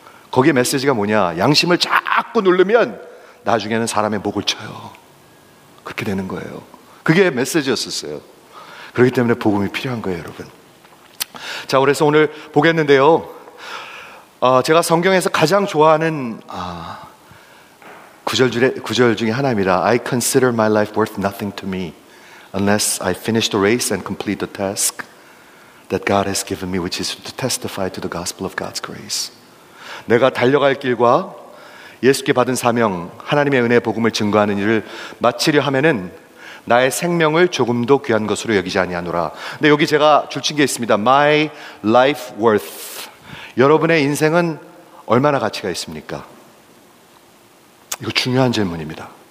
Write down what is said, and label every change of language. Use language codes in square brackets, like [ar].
[ko] 거기에 메시지가 뭐냐? 양심을 자꾸 누르면 나중에는 사람의 목을 쳐요. 그렇게 되는 거예요. 그게 메시지였었어요. 그렇기 때문에 복음이 필요한 거예요, 여러분. 자, 그래서 오늘 보겠는데요. 제가 성경에서 가장 좋아하는 구절 중에 하나입니다. [en] I consider my life worth nothing to me unless I finish the race and complete the task that God has given me, which is to testify to the gospel of God's grace. [ko] 내가 달려갈 길과 예수께 받은 사명, 하나님의 은혜 복음을 증거하는 일을 마치려 하면은 나의 생명을 조금도 귀한 것으로 여기지 아니하노라. 근데 여기 제가 줄친 게 있습니다. [en] My life worth. [ko] 여러분의 인생은 얼마나 가치가 있습니까? 이거 중요한 질문입니다.